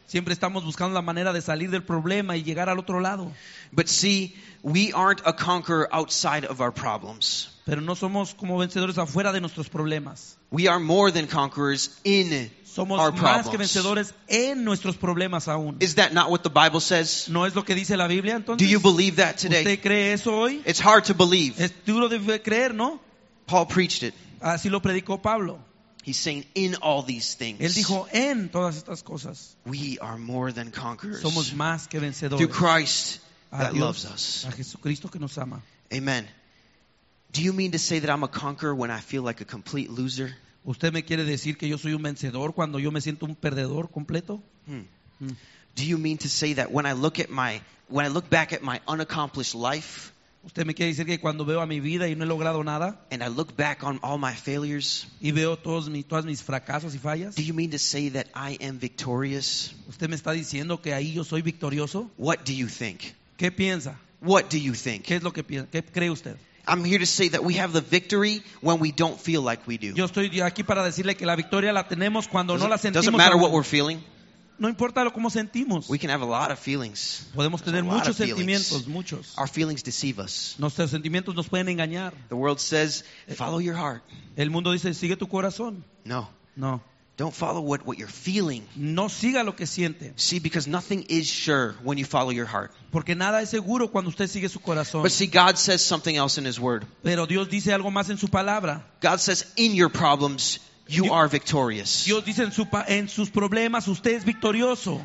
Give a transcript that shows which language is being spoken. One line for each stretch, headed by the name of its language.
Spanish: Siempre estamos buscando la manera de salir del problema y llegar al otro lado.
English: But see, we aren't a conqueror outside of our problems.
Spanish: Pero no somos como vencedores afuera de nuestros problemas.
English: We are more than conquerors in
Spanish: somos
English: our problems.
Spanish: Somos más que vencedores en nuestros problemas aún.
English: Is that not what the Bible says?
Spanish: ¿No es lo que dice la Biblia entonces?
English: Do you believe that today?
Spanish: ¿Usted cree eso hoy?
English: It's hard to believe.
Spanish: Es duro de creer, ¿no?
English: Paul preached it.
Spanish: Así lo predicó Pablo.
English: He's saying in all these things.
Spanish: Él dijo en todas estas cosas.
English: We are more than conquerors.
Spanish: Somos más que vencedores.
English: Through Christ that loves us.
Spanish: A Jesucristo que nos ama.
English: Amen. Do you mean to say that I'm a conqueror when I feel like a complete loser?
Spanish: ¿Usted me quiere decir que yo soy un vencedor cuando yo me siento un perdedor completo?
English: Do you mean to say that when I look at my when I look back at my unaccomplished life?
Spanish: ¿Usted me quiere decir que cuando veo a mi vida y no he logrado nada?
English: And I look back on all my failures.
Spanish: Y veo todos mis fracasos y fallas.
English: Do you mean to say that I am victorious?
Spanish: ¿Usted me está diciendo que ahí yo soy victorioso?
English: What do you think?
Spanish: ¿Qué piensa?
English: What do you think?
Spanish: ¿Qué es lo que piensa? ¿Qué cree usted?
English: I'm here to say that we have the victory when we don't feel like we do.
Spanish: Yo estoy aquí para decirle que la victoria la tenemos cuando no la sentimos.
English: Doesn't matter what we're feeling.
Spanish: No importa cómo sentimos.
English: We can have a lot of feelings.
Spanish: Podemos tener muchos sentimientos, muchos.
English: Our feelings deceive us.
Spanish: Nuestros sentimientos nos pueden engañar.
English: The world says, follow your heart.
Spanish: El mundo dice, sigue tu corazón.
English: No.
Spanish: No.
English: Don't follow what you're feeling.
Spanish: No siga lo que siente.
English: See, because nothing is sure when you follow your heart.
Spanish: Porque nada es seguro cuando usted sigue su corazón.
English: But see, God says something else in His Word.
Spanish: Pero Dios dice algo más en su palabra.
English: God says, in your problems, you are victorious.
Spanish: Dios dice en sus problemas, usted es victorioso.